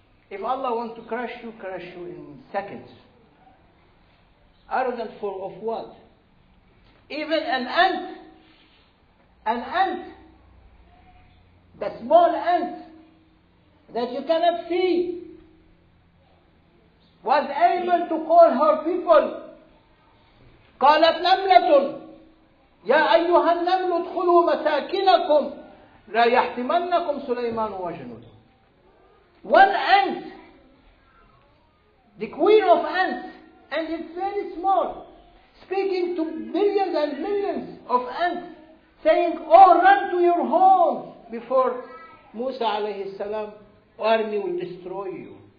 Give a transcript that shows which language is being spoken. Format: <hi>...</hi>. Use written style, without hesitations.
<en>If Allah wants to crush you in seconds. Arrogant for of what? Even an ant, the small ant that you cannot see, was able to call her people.</en> <ar>قالت نملة يا أيها النمل ادخلوا مساكنكم لا يحتمنكم سليمان وجنوده.</ar> <en>One ant, the queen of ants, and it's very small, speaking to millions and millions of ants, saying, "Oh, run to your home before Musa alayhi salam, army will destroy you."</en>